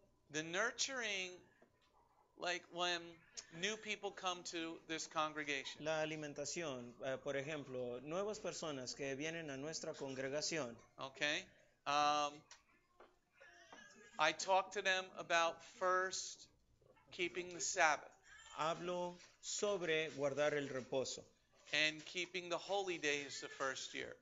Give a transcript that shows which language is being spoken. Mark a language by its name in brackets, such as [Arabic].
[English] The nurturing, like when new people come to this congregation. [Spanish] La alimentación, por ejemplo, nuevas personas que vienen a nuestra congregación. [English] Okay. I talk to them about first keeping the Sabbath. [Spanish] Hablo sobre guardar el reposo. [English] And keeping the holy days the first year.